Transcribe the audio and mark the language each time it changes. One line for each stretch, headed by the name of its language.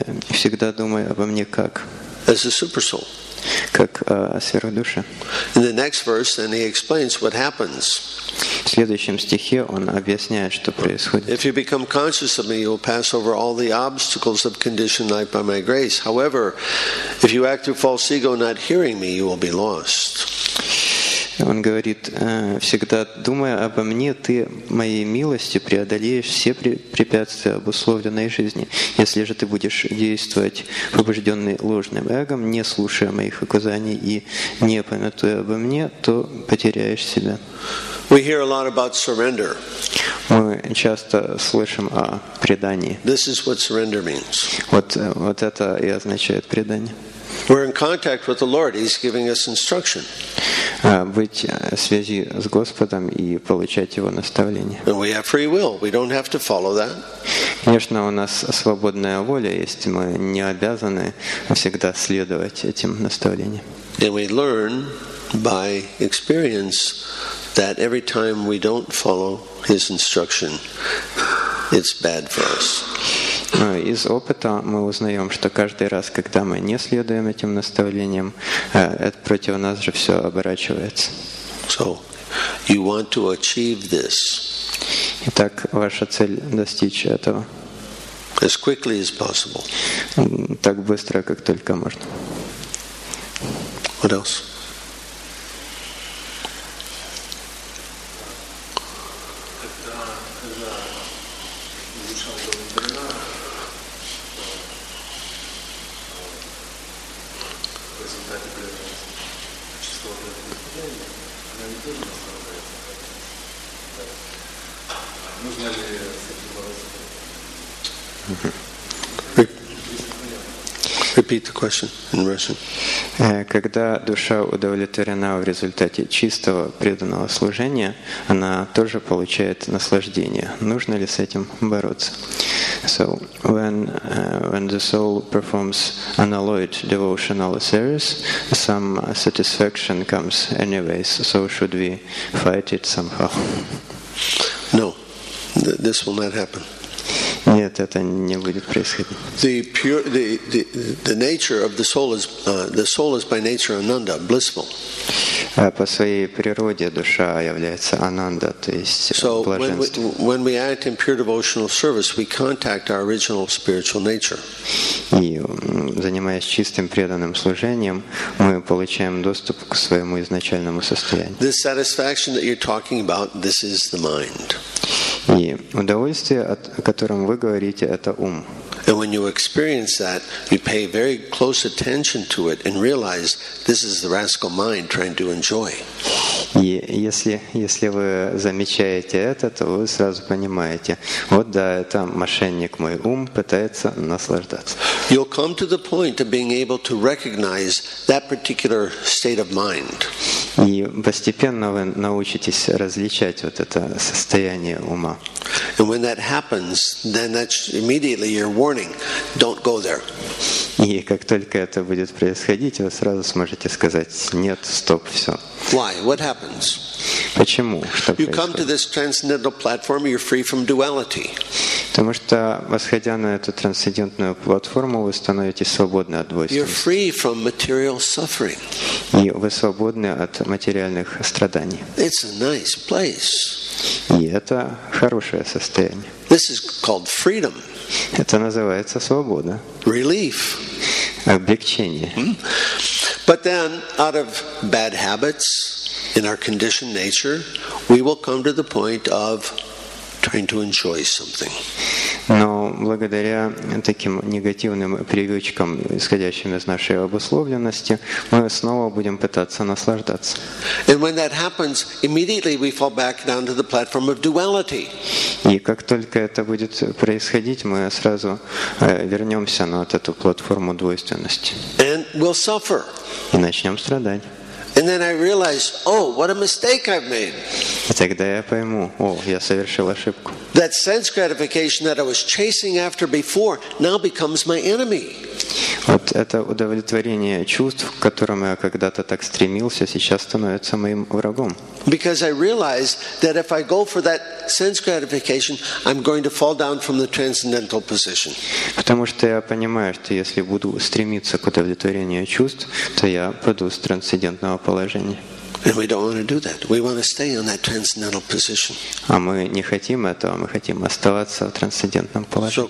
Russian: Всегда думай обо мне как?
English: As a super soul.
Russian: Как о сверхдуше.
English: In the next verse, then he explains what happens.
Russian: В следующем стихе он объясняет, что происходит.
English: If you become conscious of me, you will pass over all the obstacles of conditioned life by my grace. However, if you act through false ego, not hearing me, you will be lost.
Russian: Он говорит, всегда думая обо мне, ты моей милостью преодолеешь все препятствия обусловленной жизни. Если же ты будешь действовать побужденный ложным эгом, не слушая моих указаний и не памятуя обо мне, то потеряешь себя.
English: We hear a lot about surrender.
Russian: Мы часто слышим о предании.
English: This is what surrender means.
Russian: Вот это и означает предание.
English: We're in contact with the Lord. He's giving us instruction.
Russian: Быть в связи с Господом и получать Его наставление.
English: And we have free will. We don't have to follow that.
Russian: Конечно, у нас свободная воля есть. Мы не обязаны всегда следовать этим наставлениям.
English: And we learn by experience that every time we don't follow His instruction, it's bad for us.
Russian: Из опыта мы узнаем, что каждый раз, когда мы не следуем этим наставлениям, это против нас же все оборачивается.
English: So, you want to achieve this.
Russian: Итак, ваша цель достичь этого.
English: As quickly as possible.
Russian: Так быстро, как только можно.
English: What else? Repeat the question in Russian.
Russian: Когда душа удовлетворена в результате чистого преданного служения, она тоже получает наслаждение. Нужно ли с этим бороться?
English: So when the soul performs unalloyed devotional service, some satisfaction comes anyways. So should we fight it somehow? No, this will not happen.
Russian: Нет, это не будет происходить.
English: The nature of the soul is by nature ananda, blissful.
Russian: По своей природе душа является ананда, то есть блаженство.
English: So when we act in pure devotional service, we contact our original spiritual nature.
Russian: И занимаясь чистым преданным служением, мы получаем доступ к своему изначальному состоянию.
English: This satisfaction that you're talking about, this is the mind.
Russian: И удовольствие, о котором вы говорите, это ум.
English: And when you experience that, you pay very close attention to it and realize this is the rascal mind trying to enjoy.
Russian: И если вы замечаете это, то вы сразу понимаете, вот да, это мошенник мой ум пытается наслаждаться.
English: You'll come to the point of being able to recognize that particular state of mind.
Russian: И постепенно вы научитесь различать вот это состояние ума.
English: And when that happens, then that's immediately your warning. Don't go there.
Russian: И как только это будет происходить, вы сразу сможете сказать: нет, стоп, все.
English: Why? What happens?
Russian: Почему? Что
English: you come to this transcendental platform, you're free from duality.
Russian: Потому что, восходя на эту трансцендентную платформу, вы становитесь свободны от двойственности.
English: You're free from material suffering.
Russian: И вы свободны от материальных страданий.
English: It's a nice place.
Russian: И это хорошее состояние.
English: This is called freedom.
Russian: Это называется свобода.
English: Relief.
Russian: Облегчение.
English: But then, out of bad habits, in our conditioned nature, we will come to the point of trying to enjoy something.
Russian: Но благодаря таким негативным привычкам, исходящим из нашей обусловленности, мы снова будем пытаться наслаждаться.
English: And when that happens, immediately we fall back down to the platform of duality.
Russian: И как только это будет происходить, мы сразу вернемся на вот эту платформу двойственности.
English: And we'll suffer.
Russian: И начнем страдать.
English: And then I realize, oh, what a mistake I've made.
Russian: И тогда я пойму, о, я совершил ошибку.
English: That sense gratification that I was chasing after before now becomes my enemy.
Russian: Вот это удовлетворение чувств, к которому я когда-то так стремился, сейчас становится моим врагом.
English: Because I realize that if I go for that sense gratification, I'm going to fall down from the transcendental position.
Russian: Потому что я понимаю, что если буду стремиться к удовлетворению чувств, то я пойду с трансцендентного положения.
English: And we don't want to do that. We want to stay in that transcendental position.
Russian: А мы не хотим этого, мы хотим оставаться в трансцендентном положении.